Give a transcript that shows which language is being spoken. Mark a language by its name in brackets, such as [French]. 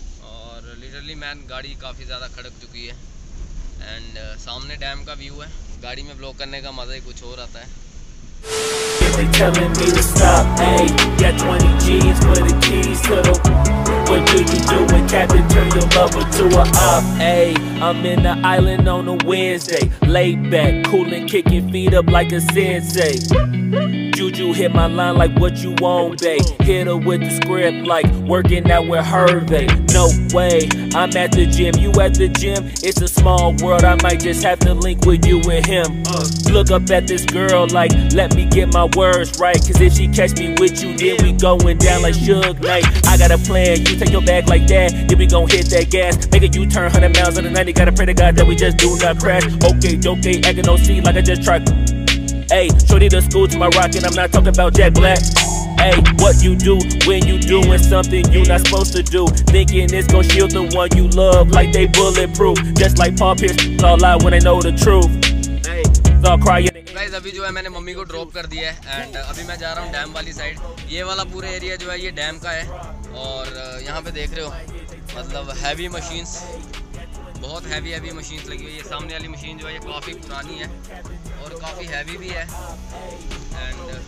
[Hindi] और literally man गाड़ी काफ़ी ज़्यादा खड़क चुकी है एंड सामने डैम का व्यू है। गाड़ी में ब्लॉक करने का मज़ा ही कुछ और आता है। [English] I'm in the island on a Wednesday, laid back, cooling, kicking feet up like a sensei. Juju hit my line like what you want, babe. Hit her with the script like working out with Hervey. No way, I'm at the gym, you at the gym. It's a small world, I might just have to link with you and him. Look up at this girl like, let me get my words right. Cause if she catch me with you, then we going down like Suge Knight. I got a plan, you take your bag like that, then we gon' hit that gas. Make a U-turn 100 miles in the 90, gotta pray to God that we just do not crash. Okay, okay, acting no seat like I just tried. Ayy, shorty the school to my rock and I'm not talking about Jack Black. Ayy, what you do when you doing something you not supposed to do? Thinking it's gon' shield the one you love like they bulletproof. Just like Paul Pierce, all lie when they know the truth. [Hindi] Guys अभी जो है मैंने mummy को drop कर दिया है and अभी मैं जा रहा हूँ डैम वाली साइड। ये वाला पूरा एरिया जो है ये डैम का है और यहाँ पे देख रहे हो मतलब हैवी मशीन्स, बहुत हैवी हैवी मशीन्स लगी हुई है। ये सामने वाली मशीन जो है ये काफ़ी पुरानी है और काफ़ी हैवी भी है एंड